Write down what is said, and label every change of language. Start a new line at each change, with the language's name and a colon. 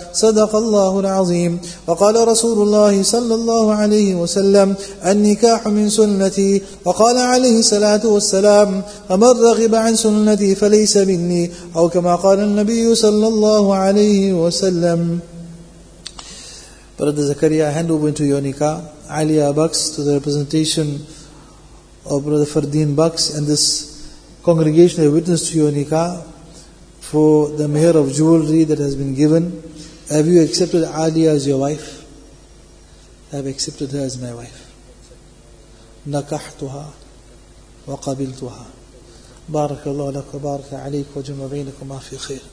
Arabic: صدق الله العظيم. وقال رسول الله صلى الله عليه وسلم: النكاح من سنتي. وقال عليه الصلاة والسلام: ومن رغب عن سنتي فليس مني. أو كما قال النبي صلى الله عليه وسلم.
English: Brother Zakaria, hand over to your nikah, Aliya Bucks, to the representation of Brother Fardeen Bucks and this congregation that witnessed to your nikah for the mehr of jewelry that has been given. Have you accepted Aliya as your wife? I have accepted her as my wife.
Arabic: نَكَحْتُهَا وَقَبِلْتُهَا. بارك الله لك وبارك عليك وجمع بينك وما في خير.